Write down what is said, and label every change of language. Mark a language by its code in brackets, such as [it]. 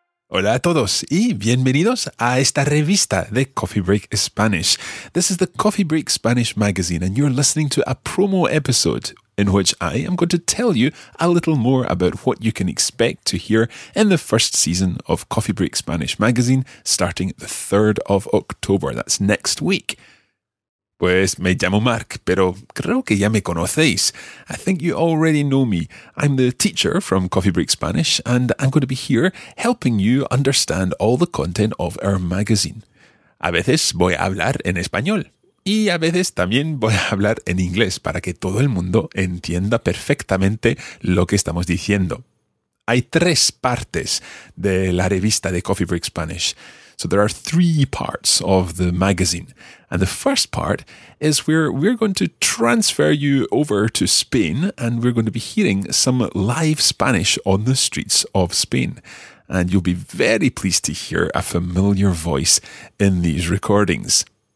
[es] Hola a todos y bienvenidos a esta revista de Coffee Break Spanish. [en] This is the Coffee Break Spanish magazine and you're listening to a promo episode in which I am going to tell you a little more about what you can expect to hear in the first season of Coffee Break Spanish magazine starting the 3rd of October. That's next week. [es] Pues me llamo Mark, pero creo que ya me conocéis. [en] I think you already know me. I'm the teacher from Coffee Break Spanish, and I'm going to be here helping you understand all the content of our magazine. [es] A veces voy a hablar en español, y a veces también voy a hablar en inglés para que todo el mundo entienda perfectamente lo que estamos diciendo. Hay tres partes de la revista de Coffee Break Spanish. [en] So there are three parts of the magazine. And the first part is where we're going to transfer you over to Spain and we're going to be hearing some live Spanish on the streets of Spain. And you'll be very pleased to hear a familiar voice in these recordings.